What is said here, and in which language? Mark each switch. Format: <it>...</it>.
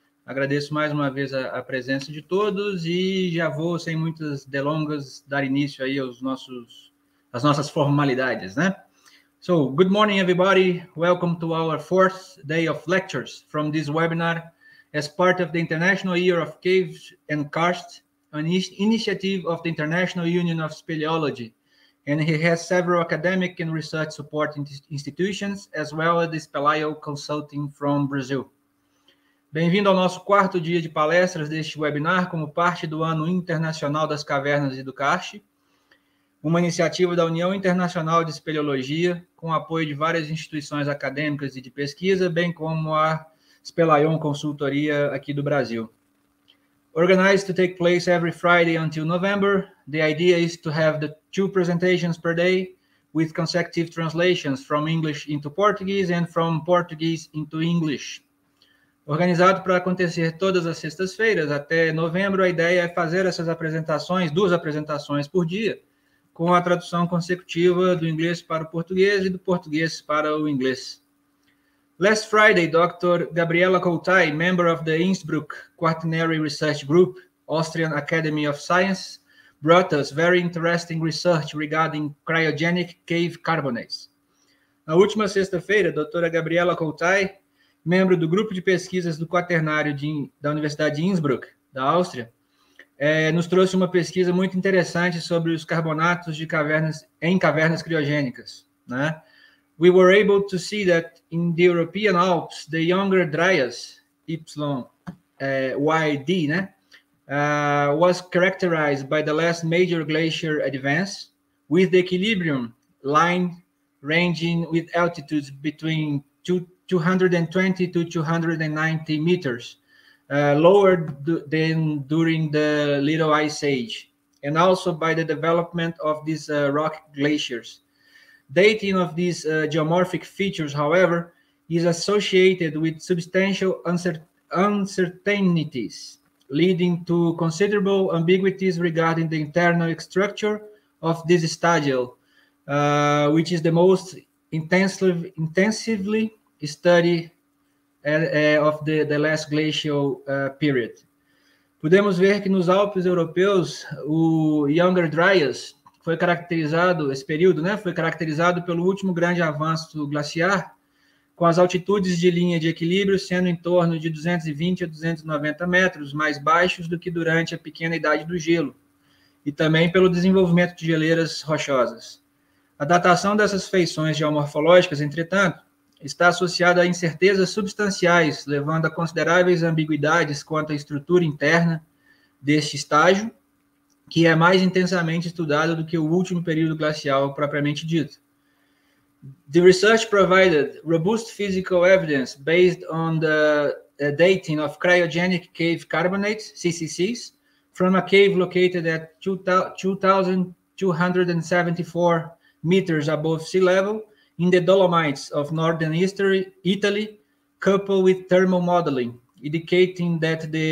<pt>Agradeço mais uma vez a presença de todos e já vou, sem muitas delongas, dar início aí às nossas formalidades, né?</pt> <en>Good morning, everybody. Welcome to our fourth day of lectures from this webinar as part of the International Year of Caves and Karst, an initiative of the International Union of Speleology. And he has several academic and research support institutions, as well as the Speleio Consulting from Brazil.</en> <pt>Bem-vindo ao nosso quarto dia de palestras deste webinar, como parte do Ano Internacional das Cavernas e do Karst, uma iniciativa da União Internacional de Speleologia, com apoio de várias instituições acadêmicas e de pesquisa, bem como a Speleion Consultoria aqui do Brasil.</pt> <en>Organized to take place every Friday until November, the idea is to have the two presentations per day with consecutive translations from English into Portuguese and from Portuguese into English.</en> <pt>Organizado para acontecer todas as sextas-feiras até novembro, a ideia é fazer essas apresentações, duas apresentações por dia, com a tradução consecutiva do inglês para o português e do português para o inglês.</pt> <en>Last Friday, Dr. Gabriela Coutai, member of the Innsbruck Quaternary Research Group, Austrian Academy of Science, brought us very interesting research regarding cryogenic cave carbonates.</en> <pt>Na última sexta-feira, Dra. Gabriela Coutai, membro do grupo de pesquisas do Quaternário da Universidade de Innsbruck, da Áustria, nos trouxe uma pesquisa muito interessante sobre os carbonatos de cavernas em cavernas criogênicas, né?</pt> <en>We were able to see that in the European Alps, the younger Dryas, YD, né, was characterized by the last major glacier advance, with the equilibrium line ranging with altitudes between 220 to 290 meters, lower than during the Little Ice Age, and also by the development of these rock glaciers. Dating of these geomorphic features, however, is associated with substantial uncertainties, leading to considerable ambiguities regarding the internal structure of this stadial, which is the most intensively studied of the last glacial period.</en> <pt>Podemos ver que nos Alpes europeus, o Younger Dryas foi caracterizado, esse período, né, foi caracterizado pelo último grande avanço glaciar, com as altitudes de linha de equilíbrio sendo em torno de 220 a 290 metros, mais baixos do que durante a pequena idade do gelo, e também pelo desenvolvimento de geleiras rochosas. A datação dessas feições geomorfológicas, entretanto, está associada a incertezas substanciais, levando a consideráveis ambiguidades quanto à estrutura interna deste estágio, que é mais intensamente estudado do que o último período glacial propriamente dito.</pt> <en>The research provided robust physical evidence based on the dating of cryogenic cave carbonates, CCCs, from a cave located at 2,274 meters above sea level in the Dolomites of northern Italy, coupled with thermal modeling, indicating that</en>